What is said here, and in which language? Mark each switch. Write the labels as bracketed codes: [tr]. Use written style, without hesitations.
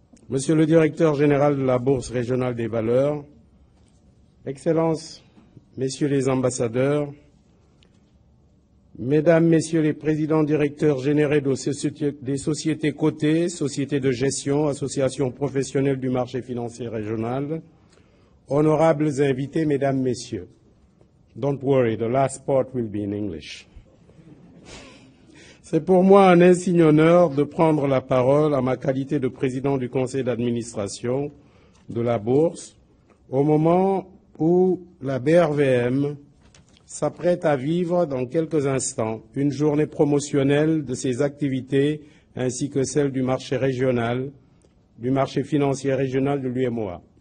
[fr] Monsieur le directeur général de la Bourse régionale des valeurs, Excellences, Messieurs les ambassadeurs, Mesdames, Messieurs les présidents directeurs généraux des sociétés cotées, sociétés de gestion, associations professionnelles du marché financier régional, honorables invités, Mesdames, Messieurs. [en] Don't worry, the last part will be in English. [fr] C'est pour moi un insigne honneur de prendre la parole en ma qualité de président du conseil d'administration de la Bourse au moment où la BRVM s'apprête à vivre dans quelques instants une journée promotionnelle de ses activités ainsi que celle du marché régional, du marché financier régional de l'UMOA.